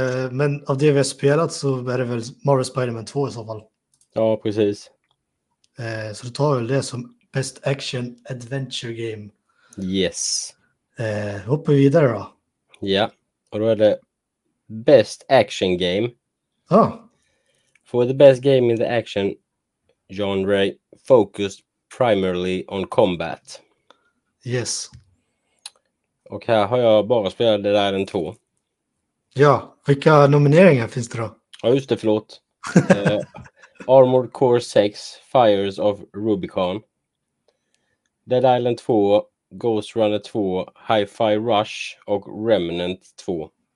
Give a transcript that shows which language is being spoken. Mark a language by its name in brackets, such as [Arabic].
[Swedish] Men av det vi har spelat så är det väl Marvel Spider-Man 2 i så fall. Ja, precis. Så du tar väl det som best action adventure game. Yes. Hoppar vi vidare då. Ja, och då är det best action game. Oh. [English] For the best game in the action genre focused primarily on combat. [Swedish] Yes. Och här har jag bara spelat det där en två. Ja, vilka nomineringar finns det då? Ja, just det, förlåt. Armored Core 6, Fires of Rubicon, Dead Island 2, Ghost Runner 2, Hi-Fi Rush och Remnant 2.